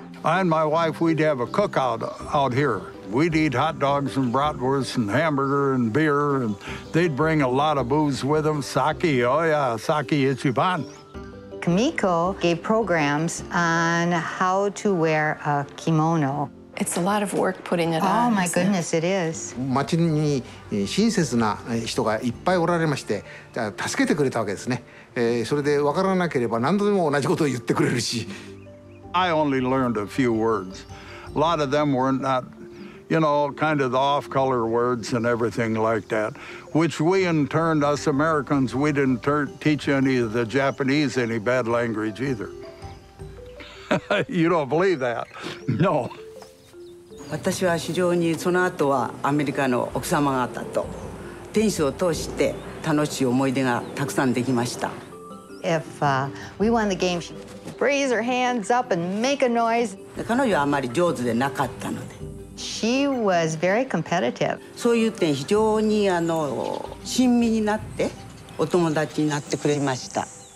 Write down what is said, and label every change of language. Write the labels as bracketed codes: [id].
[en] I and my wife, we'd have a cookout out here. We'd eat hot dogs and bratwurst and hamburger and beer, and they'd bring a lot of booze with them. Sake, oh yeah, sake ichiban. Kimiko gave programs on how to wear a kimono. It's a lot of work putting it on. Oh my goodness, it is. [ja] 町に親切な人がいっぱいおられまして、助けてくれたわけですね。それで分からなければ何度でも同じことを言ってくれるし。 [en] I only learned a few words. A lot of them were not, you know, kind of the off-color words and everything like that, which we in turn, us Americans, we didn't teach any of the Japanese any bad language either. You don't believe that? No. [ja] 私は非常にその後はアメリカの奥様方と店主を通して楽しい思い出がたくさんできました。 [en] If we won the game, she'd raise her hands up and make a noise. [ja] 彼女はあまり上手でなかったので。 [en] She was very competitive. [ja] そういう点非常に親身になってお友達になってくれました。